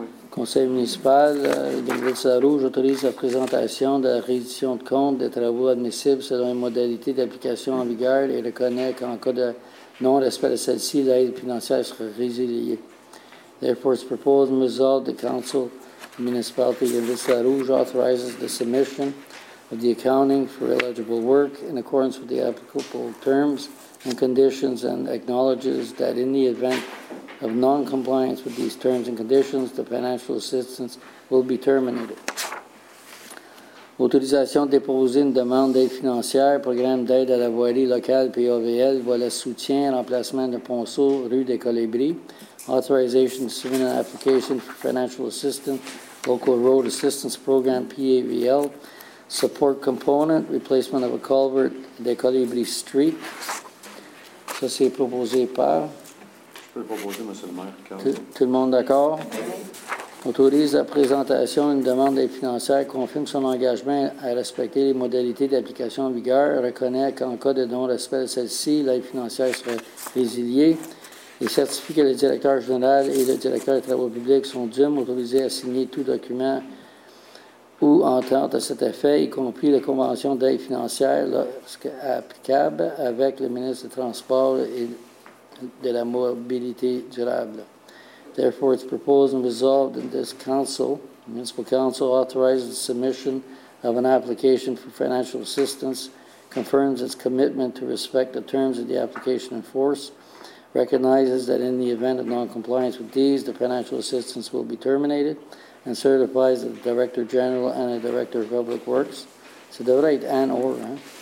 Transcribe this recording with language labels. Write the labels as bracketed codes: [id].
[fr] Conseil municipal de Ville-Sarrouge autorise la présentation de la reddition de compte des travaux admissibles selon les modalités d'application en vigueur et reconnaît qu'en cas de non-respect de celle-ci, l'aide financière sera résiliée. [en] Therefore, it's proposed and resolved the Council municipality de Ville-Sarrouge authorizes the submission of the accounting for eligible work in accordance with the applicable terms and conditions and acknowledges that in the event of non-compliance with these terms and conditions, the financial assistance will be terminated. [fr] Autorisation de déposer une demande d'aide financière, programme d'aide à la voirie locale PAVL, voie de soutien et remplacement de ponceau, rue des Colibris. [en] Authorization to submit an application for financial assistance, local road assistance program PAVL. Support component, replacement of a culvert, des Colibris Street. [fr] Ça, c'est proposé par? Je peux peux le proposer, M. le maire. Tout le monde d'accord? Autorise la présentation d'une demande d'aide financière, confirme son engagement à respecter les modalités d'application en vigueur, reconnaît qu'en cas de non-respect de celle-ci, l'aide financière serait résiliée et certifie que le directeur général et le directeur des travaux publics sont dûment autorisés à signer tout document ou entente à cet effet, y compris la convention d'aide financière lorsque applicable avec le ministre des Transports et de la Mobilité durable. [en] Therefore, it's proposed and resolved that this council, municipal council, authorizes the submission of an application for financial assistance, confirms its commitment to respect the terms of the application in force, recognizes that in the event of noncompliance with these, the financial assistance will be terminated, and certifies that the Director General and the Director of Public Works, so the right and or, huh?